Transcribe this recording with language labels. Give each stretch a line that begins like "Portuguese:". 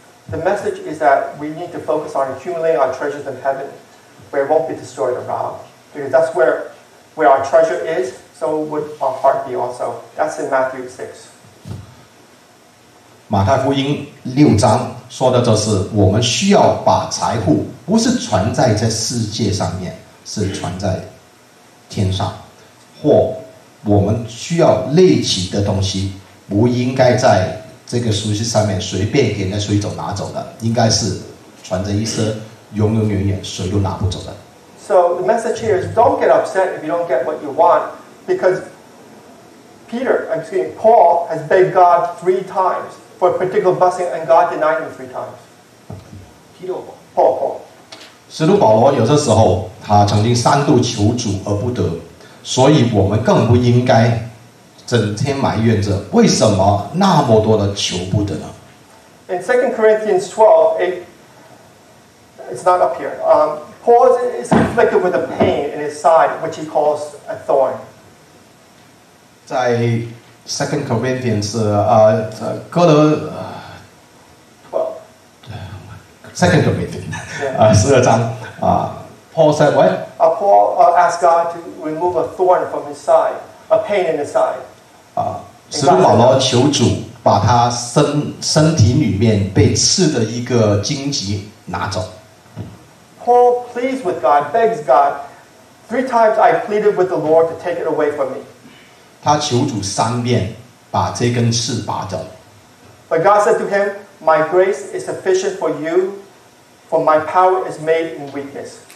English: The message is that we need to focus on accumulating our treasures in heaven, where it won't be destroyed or robbed, because that's where our treasure is, so would our heart be also. That's in Matthew 6.
Chinese: 马太福音6说的就是我们需要把财富不是存在在世界上面，是存在天上，或我们需要累积的东西不应该在这个书信上面随便给人随手拿走的，应该是存着一些永永远远谁都拿不走的。
English: So the message here is don't get upset if you don't get what you want, because Paul has begged God 3 times for a particular blessing and God denied him 3 times. Paul
Chinese: 使徒保罗有些时候他曾经三度求主而不得，所以我们更不应该整天埋怨着为什么那么多的求不得呢。
English: In 2 Corinthians 12, it's not up here. Paul is afflicted with a pain in his side, which he calls a thorn. 在 2 Corinthians, 哥德 2 Corinthians, 12, Paul said what? Paul asked God to remove a thorn from his side, a pain in his side.
Chinese: 使徒保罗求主把他身体里面被刺的一个荆棘拿走。
English: Paul pleads with God, begs God, 3 times I pleaded with the Lord to take it away from me.
Chinese: 他求主3遍把这根刺拔走。
English: But God said to him, my grace is sufficient for you, for my power is made in weakness.